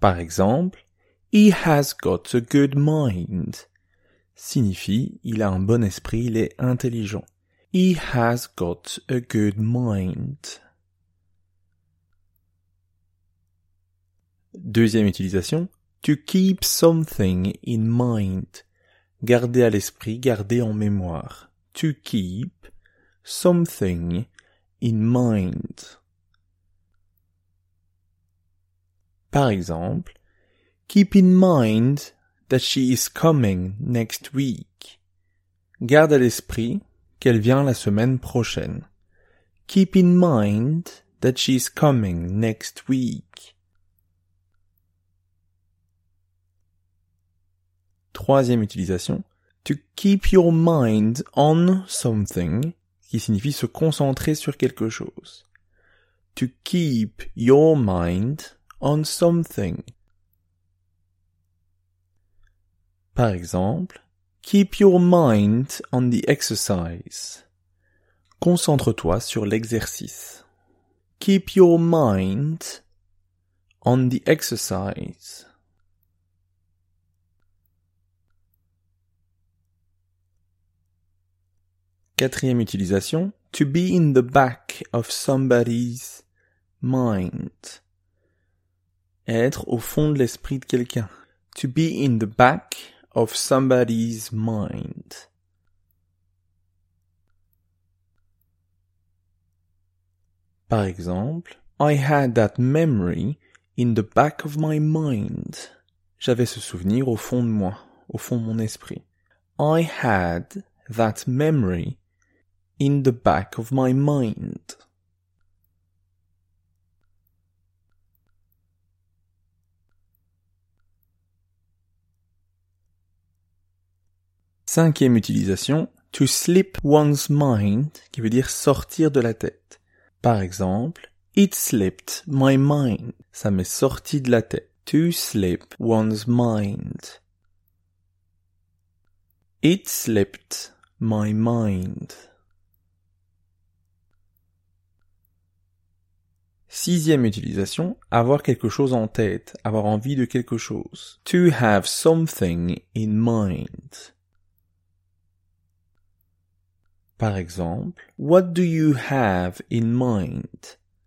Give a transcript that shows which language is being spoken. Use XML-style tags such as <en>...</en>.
<fr>Par exemple,</fr> <en>« He has got a good mind »</en> <fr>signifie « il a un bon esprit, il est intelligent ».«</fr> <en>He has got a good mind ».</en> <fr>Deuxième utilisation,</fr> <en>to keep something in mind.</en> <fr>Garder à l'esprit, garder en mémoire.</fr> <en>To keep something in mind.</en> <fr>Par exemple,</fr> <en>keep in mind that she is coming next week.</en> <fr>Garde à l'esprit qu'elle vient la semaine prochaine.</fr> <en>Keep in mind that she is coming next week.</en> <fr>Troisième utilisation,</fr> <en>to keep your mind on something,</en> <fr>qui signifie se concentrer sur quelque chose.</fr> <en>To keep your mind on something.</en> <fr>Par exemple,</fr> <en>keep your mind on the exercise.</en> <fr>Concentre-toi sur l'exercice.</fr> <en>Keep your mind on the exercise.</en> <fr>Quatrième utilisation,</fr> <en>to be in the back of somebody's mind.</en> <fr>Être au fond de l'esprit de quelqu'un.</fr> <en>To be in the back of somebody's mind.</en> <fr>Par exemple,</fr> <en>I had that memory in the back of my mind.</en> <fr>J'avais ce souvenir au fond de moi, au fond de mon esprit.</fr> <en>I had that memory in the back of my mind.</en> <fr>Cinquième utilisation,</fr> <en>to slip one's mind,</en> <fr>qui veut dire sortir de la tête. Par exemple,</fr> <en>it slipped my mind.</en> <fr>Ça m'est sorti de la tête.</fr> <en>To slip one's mind. It slipped my mind.</en> <fr>Sixième utilisation, avoir quelque chose en tête, avoir envie de quelque chose.</fr> <en>To have something in mind.</en> <fr>Par exemple,</fr> <en>what do you have in mind?</en>